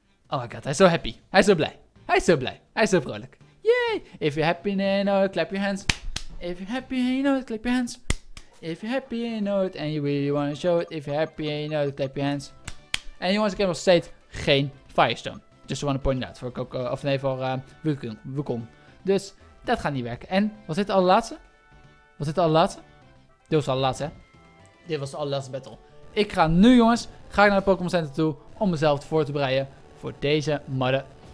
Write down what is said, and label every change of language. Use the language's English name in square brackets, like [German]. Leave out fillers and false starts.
[English] Oh my god, [Dutch] hij is zo blij, hij is zo vrolijk. Yay! [English] If you're happy, clap your hands. If you're happy, clap your hands. If you're happy, and you really want to show it. If you're happy, clap your hands. [Dutch] En jongens, ik heb nog steeds geen Firestone. [English] Just want to point it out [Dutch] voor Coco, of nee, voor Wukong. Dus, dat gaat niet werken. En, was dit de allerlaatste? Dit was de allerlaatste, hè? Dit was de allerlaatste battle. Ik ga nu, jongens, ga ik naar het Pokémon Center toe om mezelf voor te bereiden voor deze mother...